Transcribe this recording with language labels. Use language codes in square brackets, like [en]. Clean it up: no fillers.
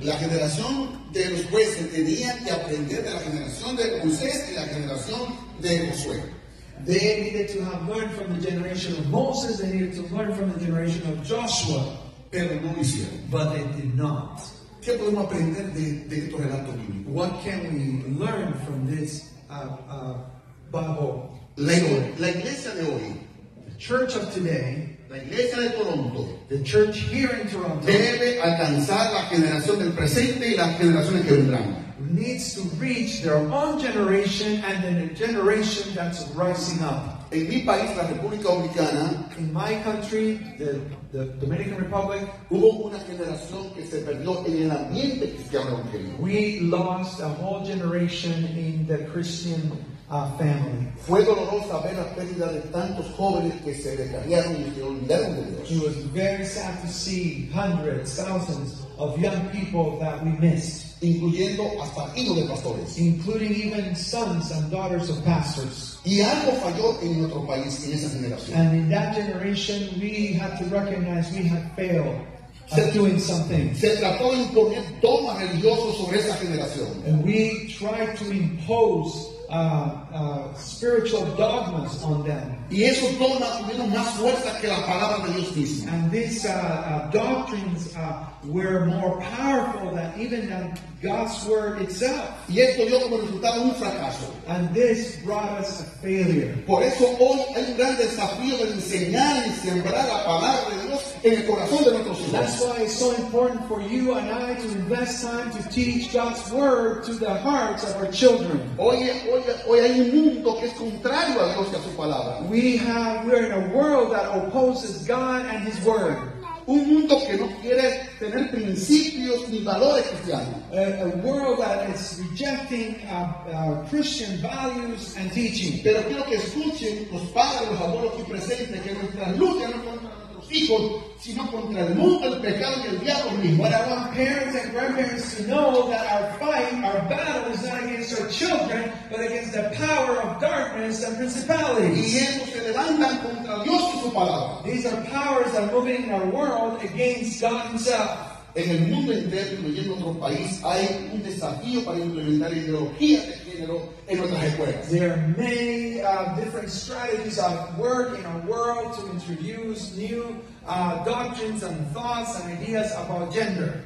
[es] La generación de los jueces tenía que aprender de la generación de Moisés y la generación de Josué. [en] They needed to have learned from the generation of Moses. They needed to learn from the generation of Joshua. [es] Pero no hicieron. [en] But they did not. [es] ¿Qué podemos aprender de estos relatos bíblicos? [en] What can we learn from this Bible? [es] La iglesia de hoy. [en] The church of today. [es] La iglesia de Toronto, [en] the church here in Toronto, [es] debe alcanzar la generación del presente y las generaciones que vendrán. [en] Needs to reach their own generation and then a generation that's rising up. [es] En mi país, la República Dominicana, [en] in my country, the Dominican Republic, [es] hubo una generación que se perdió en el ambiente cristiano evangélico. [en] We lost a whole generation in the Christian family. [es] Fue dolorosa ver la pérdida de tantos jóvenes que se descarriaron y se olvidaron de Dios. [en] It was very sad to see hundreds, thousands of young people that we missed, [es] incluyendo hasta hijos de pastores, [en] including even sons and daughters of pastors. [es] Y algo falló en nuestro país en esa generación. [en] And in that generation, we had to recognize we had failed. Doing something. [es] Se trató de imponer dogmas religiosos sobre esa generación. [en] And we tried to impose spiritual dogmas on them. [es] Y eso todo ha tenido más fuerza que la palabra de Dios dice. [en] And these doctrines were more powerful than even than God's word itself. [es] Y esto dio como resultado un fracaso. [en] And this brought us a failure. [es] Por eso hoy hay un gran desafío de enseñar y sembrar la palabra de Dios en el corazón de nuestros hijos. [en] That's why it's so important for you and I to invest time to teach God's word to the hearts of our children. [es] Hoy hay un mundo que es contrario a Dios y a su palabra. [en] We're in a world that opposes God and His word. [es] Un mundo que no quiere tener principios ni valores cristianos. [en] A world that is rejecting Christian values and teaching. [es] Pero quiero que escuchen los padres, los abuelos aquí presentes, que nuestra lucha no es contra nuestros hijos, sino contra el mundo, el pecado y el diablo mismo. [en] But I want parents and grandparents to know that our fight, our battle is not against our children, but against the power of darkness and principalities. [es] Y estos se levantan contra Dios y su palabra. [en] These are powers that are moving in our world against God himself. [es] En el mundo entero, incluyendo otro país, hay un desafío para implementar ideologías de género en nuestras escuelas. [en] There are many different strategies at work in our world to introduce new doctrines and thoughts and ideas about gender.